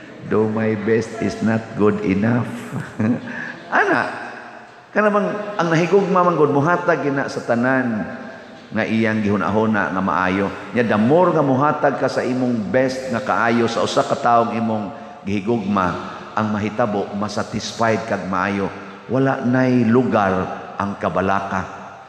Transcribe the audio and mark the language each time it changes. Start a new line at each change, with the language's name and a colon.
English: Though my best is not good enough.
Cebuano: Ana. Kana bang ang nahigugma man gud muhatag gina sa tanan nga iyang gihunahona nga maayo. Nya
English: the more
Cebuano: nga muhatag ka sa imong best nga kaayo sa usa ka tawong imong gihigugma, ang mahitabo masatisfied kag maayo. Wala nay lugar ang kabalaka.